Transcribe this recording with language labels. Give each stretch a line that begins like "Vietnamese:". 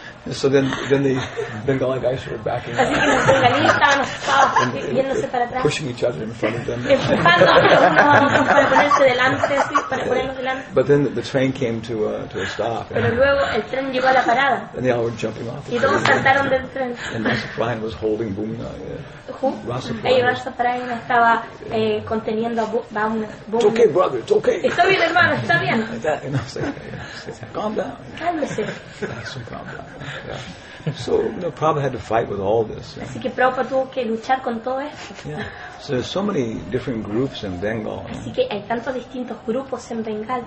English: So then the Bengali guys were backing up.
Spanish: Así que los bengalíes estaban asustados, yéndose para atrás.
English: Pushing each other in front of them.
Spanish: Empujando unos a otros para ponerse delante, así, para ponernos delante.
English: But then the train came to a stop.
Spanish: Pero luego el tren llegó a la parada.
English: And they all were jumping off.
Spanish: Y todos saltaron del tren.
English: And Rasaprayana was holding Bhumna. Who? Rasaprayana
Spanish: estaba conteniendo a Bhumna.
English: It's okay, brother. It's okay.
Spanish: Está bien, hermano. Está bien.
English: And I was like, calm down.
Spanish: Cálmese.
English: That's some calm down. Yeah. So, you know, Prabhupada had to fight with all this. Yeah.
Spanish: Así que Prabhupada tuvo que luchar con todo esto.
English: Yeah. So there's so many different groups in Bengal.
Spanish: Así que hay tantos distintos grupos en Bengal.